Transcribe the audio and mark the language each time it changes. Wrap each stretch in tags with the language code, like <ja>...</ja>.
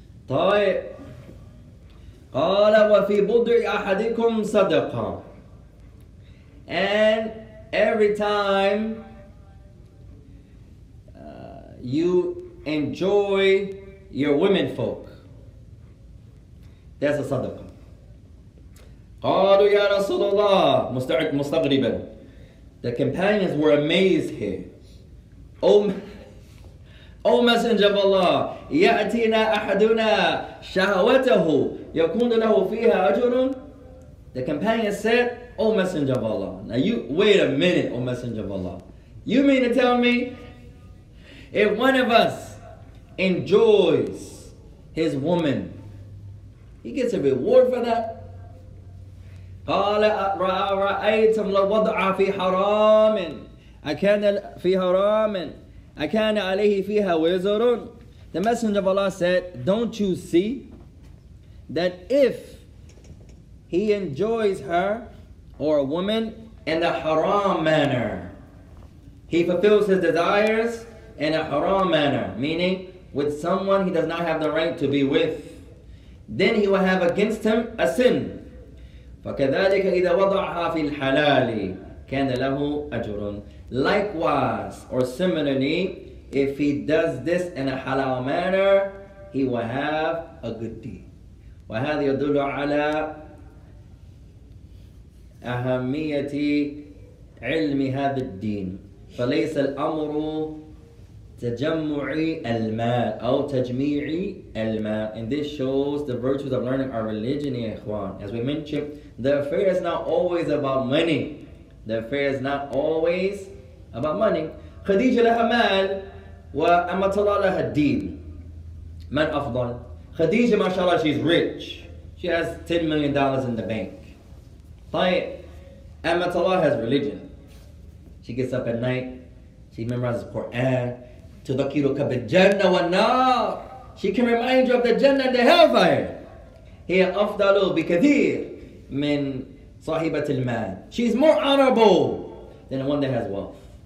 <ar>طيب. قال وفي بضع أحدكم صدقة.</ar> <en>And every time you enjoy your women folk, that's a صدقة.</en> <ar>قالوا يا رسول الله مستغربا.</ar> <en>The companions were amazed here. O Messenger of Allah,</en> <ar>يَأْتِينَا أَحَدُنَا شَهَوَتَهُ يَكُونُ لَهُ فِيهَا أَجُرٌ.</ar> <en>The companions said, O Messenger of Allah. Now you, wait a minute, O Messenger of Allah. You mean to tell me, if one of us enjoys his woman, he gets a reward for that?</en> <ar>قال رأيتم لو وضع في حرام أكان في حرام أكان عليه فيها وزر.</ar> <en>The Messenger of Allah said, don't you see that if he enjoys her or a woman in a haram manner, he fulfills his desires in a haram manner, meaning with someone he does not have the right to be with, then he will have against him a sin.</en> <ar>وكذلك إذا وضعها في الحلال كان له أجر. Likewise, or similarly, if he does this in a halal manner, he will have a good deed. وهذا يدل على أهمية علم هذا الدين. فليس الأمر تجمعي المال أو تجميعي المال.</ar> <en>And this shows the virtues of learning our religion,</en> <ar>يا إخوان.</ar> <en>As we mentioned, the affair is not always about money. The affair is not always about money.</en> <ar>خديجة لها مال وأما طلع لها الدين. من أفضل؟ خديجة ما شاء الله,</ar> <en>she's rich. She has $10 million in the bank.</en> <ar>طيب, أما طلع</ar> <en>has religion. She gets up at night, she memorizes the Quran.</en> <ar>تذكرك بالجنة والنار.</ar> <en>She can remind you of the Jannah and the hellfire.</en> <ar>هي أفضل بكثير. من صاحبة المال.</ar> <en>She's more honorable than the one that has wealth.</en>